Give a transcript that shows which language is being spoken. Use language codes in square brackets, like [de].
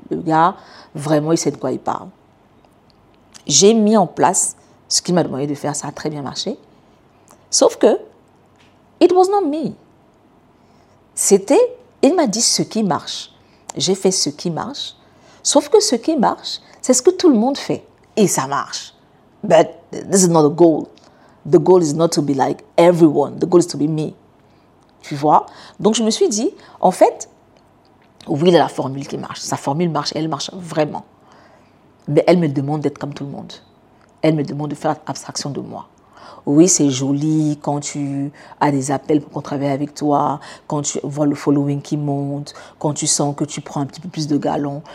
[fr] Le gars, vraiment, il sait de quoi il parle. J'ai mis en place ce qu'il m'a demandé de faire, ça a très bien marché. Sauf que, [en] it was not me. [fr] C'était, il m'a dit ce qui marche. J'ai fait ce qui marche. Sauf que ce qui marche, c'est ce que tout le monde fait. Et ça marche. [en] But this is not the goal. The goal is not to be like everyone. The goal is to be me. [fr] Tu vois? Donc je me suis dit, en fait, oui, il a la formule qui marche. Sa formule marche, elle marche vraiment. Mais elle me demande d'être comme tout le monde. Elle me demande de faire abstraction de moi. Oui, c'est joli quand tu as des appels pour qu'on travaille avec toi, quand tu vois le following qui monte, quand tu sens que tu prends un petit peu plus de galons.